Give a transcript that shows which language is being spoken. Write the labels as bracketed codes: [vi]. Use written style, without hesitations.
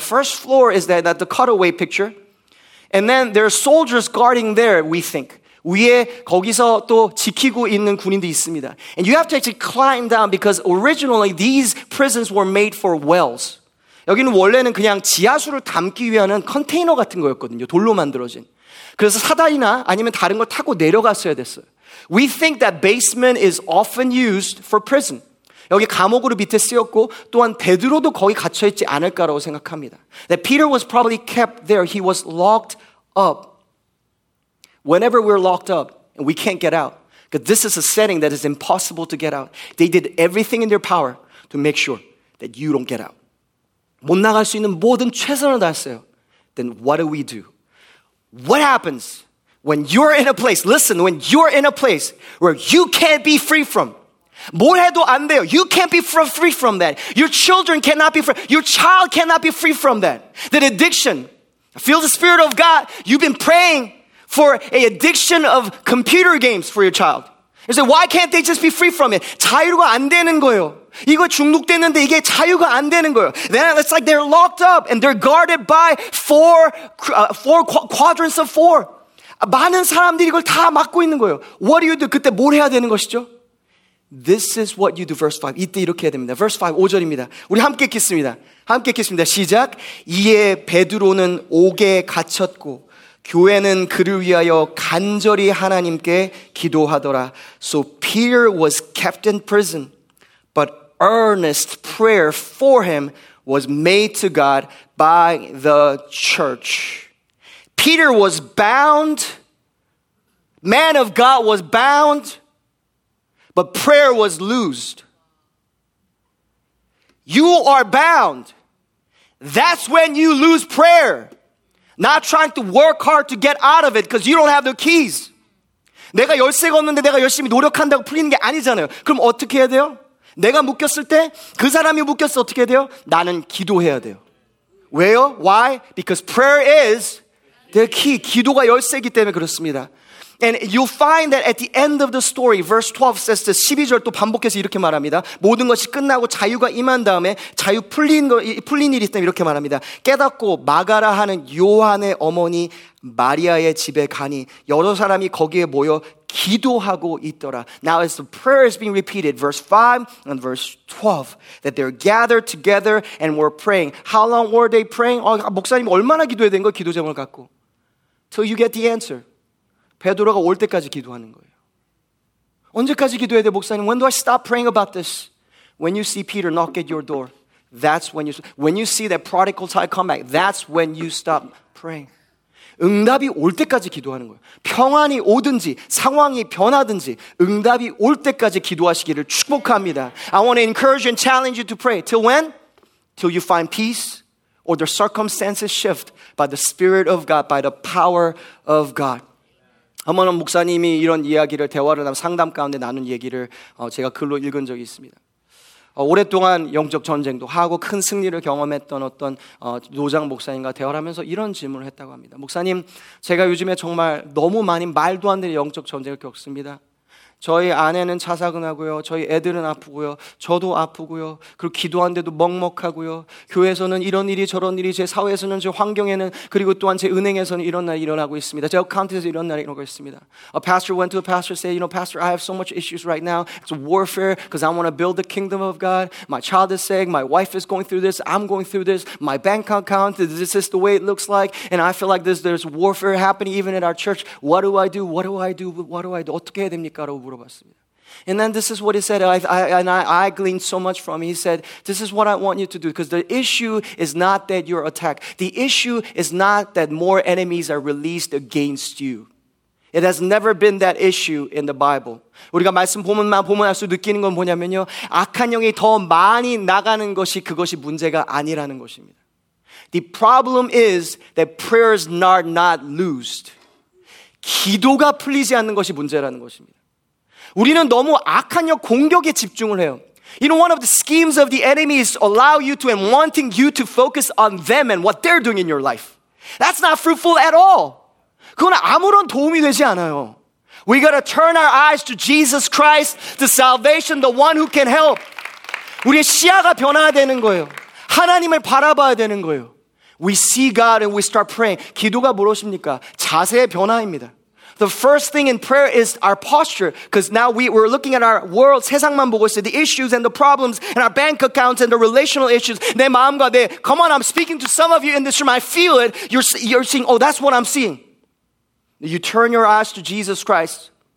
[en] First floor is that the cutaway picture. And then there are soldiers guarding there, we think. [ko] 위에 거기서 또 지키고 있는 군인도 있습니다. [en] And you have to actually climb down, because originally these prisons were made for wells. [ko] 여기는 원래는 그냥 지하수를 담기 위한 컨테이너 같은 거였거든요. 돌로 만들어진. 그래서 사다리나 아니면 다른 걸 타고 내려갔어야 됐어요. [en] We think that basement is often used for prison. [ko] 여기 감옥으로 밑에 쓰였고 또한 베드로도 거기 갇혀있지 않을까라고 생각합니다. [en] That Peter was probably kept there. He was locked up. Whenever we're locked up and we can't get out. Because this is a setting that is impossible to get out. They did everything in their power to make sure that you don't get out. [ko] 못 나갈 수 있는 모든 최선을 다했어요. [en] Then what do we do? What happens when you're in a place? Listen, when you're in a place where you can't be free from. [ko] 뭘 해도 안 돼요. [en] You can't be free from that. Your children cannot be free. Your child cannot be free from that. That addiction. I feel the Spirit of God. You've been praying for an addiction of computer games for your child. You say, why can't they just be free from it? [ko] 자유가 안 되는 거예요. 이거 중독됐는데 이게 자유가 안 되는 거예요. [en] Then it's like they're locked up and they're guarded by four quadrants of four. [ko] 많은 사람들이 이걸 다 막고 있는 거예요. [en] What do you do? [ko] 그때 뭘 해야 되는 것이죠? [en] This is what you do, verse 5. [ko] 이때 이렇게 해야 됩니다. [en] Verse 5, [ko] 5절입니다. 우리 함께 읽겠습니다. 함께 읽겠습니다. 시작. 이에 베드로는 옥에 갇혔고 교회는 그를 위하여 간절히 하나님께 기도하더라. [en] So Peter was kept in prison, but earnest prayer for him was made to God by the church. Peter was bound. Man of God was bound. But prayer was loosed. You are bound. That's when you lose prayer. Not trying to work hard to get out of it because you don't have the keys. [ko] 내가 열쇠가 없는데 내가 열심히 노력한다고 풀리는 게 아니잖아요. 그럼 어떻게 해야 돼요? 내가 묶였을 때 그 사람이 묶였어 어떻게 해야 돼요? 나는 기도해야 돼요. 왜요? [en] Why? Because prayer is the key. [ko] 기도가 열쇠이기 때문에 그렇습니다. [en] And you'll find that at the end of the story, verse 12 says this, [ko] 12절 또 반복해서 이렇게 말합니다. 모든 것이 끝나고 자유가 임한 다음에 자유 풀린 일이 있다면 이렇게 말합니다. 깨닫고 마가라 하는 요한의 어머니 마리아의 집에 가니 여러 사람이 거기에 모여 기도하고 있더라. [en] Now as the prayer is being repeated, verse 5 and verse 12, that they're gathered together and were praying. How long were they praying? [ko] 목사님 얼마나 기도해야 된 거야? 기도 제목을 갖고. [en] Till you get the answer. [ko] 베드로가 올 때까지 기도하는 거예요. 언제까지 기도해야 돼, 목사님? [en] When do I stop praying about this? When you see Peter knock at your door, that's when you see that prodigal child come back. That's when you stop praying. [ko] 응답이 올 때까지 기도하는 거예요. 평안이 오든지 상황이 변하든지 응답이 올 때까지 기도하시기를 축복합니다. [en] I want to encourage and challenge you to pray. Till when? Till you find peace. Or the circumstances shift by the Spirit of God, by the power of God. [ko] 한번 목사님이 이런 이야기를 대화를 하면 상담 가운데 나눈 얘기를 제가 글로 읽은 적이 있습니다. 오랫동안 영적 전쟁도 하고 큰 승리를 경험했던 어떤 노장 목사님과 대화를 하면서 이런 질문을 했다고 합니다. 목사님, 제가 요즘에 정말 너무 많이 말도 안 되는 영적 전쟁을 겪습니다. 저희 아내는 자살근하고요. 저희 애들은 아프고요. 저도 아프고요. 그리고 기도한데도 먹먹하고요. 교회에서는 이런 일이 저런 일이 제 사회에서는 제 환경에는 그리고 또한 제 은행에서는 이런 날이 일어나고 있습니다. 제 카운트에서 이런 날이 일어나고 있습니다. [en] A pastor went to a pastor and said, you know, pastor, I have so much issues right now. It's a warfare because I want to build the kingdom of God. My child is sick. My wife is going through this. I'm going through this. My bank account, this is the way it looks like. And I feel like there's warfare happening even in our church. What do I do? What do I do? What do I do? [ko] 어떻게 해야 됩니까? [en] And then this is what he said, I gleaned so much from him. He said, this is what I want you to do, because the issue is not that you're attacked. The issue is not that more enemies are released against you. It has never been that issue in the Bible. [ko] 우리가 말씀 보면 할수록 느끼는 건 뭐냐면요. 악한 영이 더 많이 나가는 것이 그것이 문제가 아니라는 것입니다. [en] The problem is that prayers are not loosed. [ko] 기도가 풀리지 않는 것이 문제라는 것입니다. 우리는 너무 악한 영 공격에 집중을 해요. [en] You know, one of the schemes of the enemy is allow you to and wanting you to focus on them and what they're doing in your life. That's not fruitful at all. [ko] 그건 아무런 도움이 되지 않아요. [en] We gotta turn our eyes to Jesus Christ, the salvation, the one who can help. [ko] 우리의 시야가 변해야 되는 거예요. 하나님을 바라봐야 되는 거예요. [en] We see God and we start praying. [ko] 기도가 무엇입니까? 자세의 변화입니다. [en] The first thing in prayer is our posture, because now we're looking at our world, [ko] 세상만 보고 있어요. [en] The issues and the problems and our bank accounts and the relational issues. [ko] 내 마음과 내, [en] come on, I'm speaking to some of you in this room. I feel it. You're seeing, oh, that's what I'm seeing. You turn your eyes to Jesus Christ.